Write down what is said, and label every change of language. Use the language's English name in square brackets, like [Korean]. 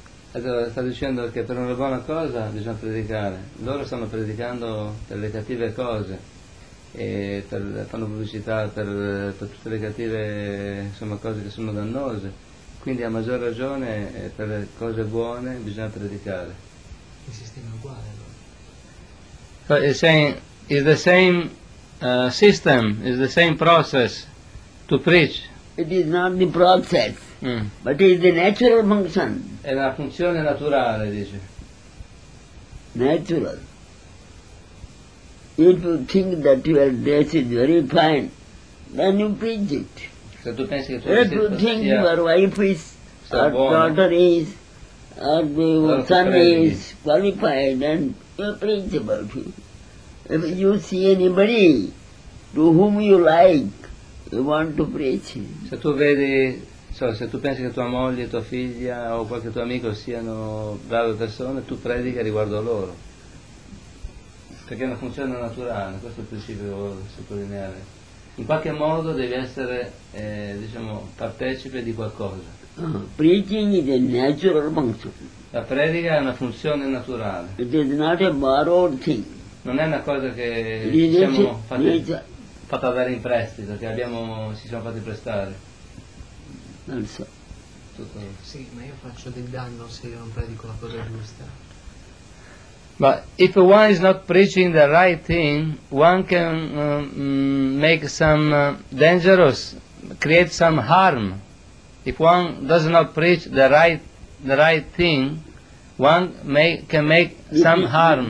[Italian] Sta dicendo che per una buona cosa bisogna predicare. Loro stanno predicando per le cattive cose. Fanno pubblicità per tutte le cattive insomma, cose che sono dannose. Quindi a maggior ragione per le cose buone bisogna predicare. Il sistema è uguale allora. [English] So it's the same system, it's the same process to preach. It is not the process, but it is the natural function. [Italian] È una funzione naturale, dice. [English] Natural. If you think that your dress is very fine, then you preach it. [Italian] Se tu pensi che tu [English] if you think your wife is, or daughter is, Sundays, qualified and principal. If you see anybody to whom you like, you want to preach. [Italian] Se tu vedi, se tu pensi che tua moglie, tua figlia o qualche tuo amico siano brave persone, tu predica riguardo a loro. Perché è una funzione naturale, questo è il principio che voglio sottolineare. In qualche modo devi essere, diciamo, partecipe di qualcosa. [English] Preaching is a natural function. [Italian] La predica è una funzione naturale. [English] It is not a borrowed thing. [Italian] Non è una cosa che siamo fatti avere in prestito, che abbiamo, ci siamo fatti prestare. Non so. Tutto. Sì, ma io faccio del danno se io non predico la cosa giusta. [English] But if one is not preaching the right thing, one can make some dangerous, create some harm. If one does not preach the right thing, one can make some harm.